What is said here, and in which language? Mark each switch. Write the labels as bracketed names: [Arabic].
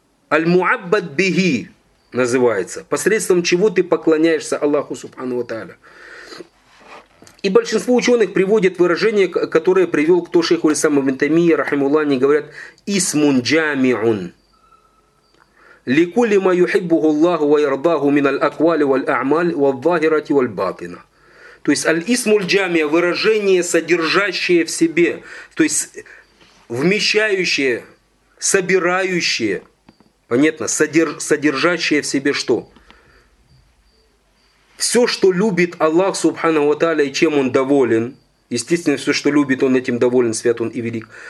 [Russian] Аль-муаббад биги называется. Посредством чего ты поклоняешься Аллаху Субхану ва Тааля. И большинство ученых приводят выражение, которое привел кто шейху аль-Ислам ибн Таймия, рахимуллах, они говорят, «Исмун джами'ун». [Arabic] لكل ما يحبه الله ويرضاه من الأقوال والأعمال والظاهرة والباطنة. [Russian] То есть аль-исму аль-джамия — выражение, содержащее в себе, то есть вмещающее, собирающее, понятно, содержащее в себе что? Все, что любит Аллах Субханаху ва Тааля и чем Он доволен, естественно, все, что любит, Он этим доволен, свят Он и велик.